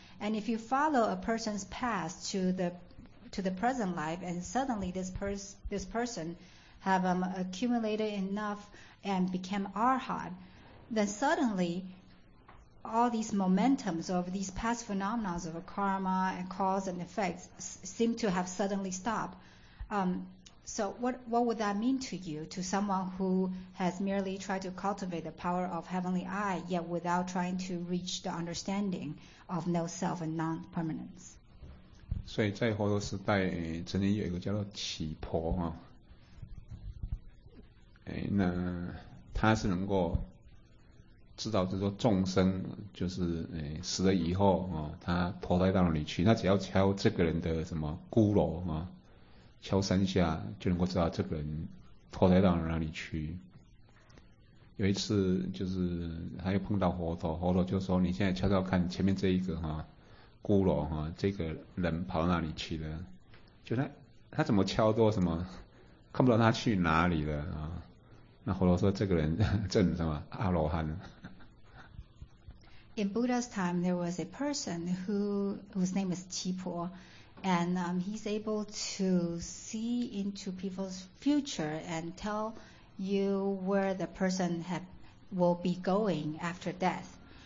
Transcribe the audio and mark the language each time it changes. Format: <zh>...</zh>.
<en>And if you follow a person's past to the present life and suddenly this person have accumulated enough and became arhat, then suddenly all these momentums of these past phenomenons of karma and cause and effects seem to have suddenly stopped. So what would that mean to you, to someone who has merely tried to cultivate the power of heavenly eye, yet without trying to reach the understanding of no self and non-permanence?</en> <zh>所以在佛陀时代曾经有一个叫做乞婆啊，那他是能够知道就是说众生就是死了以后他投胎到哪里去，那只要敲这个人的什么骷髅啊，敲三下就能够知道这个人投胎到哪里去。有一次就是他又碰到佛陀，佛陀就说你现在敲敲看前面这一个骷髅这个人跑到哪里去了，就他怎么敲都什么看不到他去哪里了那佛陀说这个人正什么阿罗汉。</zh> <en>In Buddha's time, there was a person whose name is Qipo, and he's able to see into people's future and tell you where the person will be going after death.</en>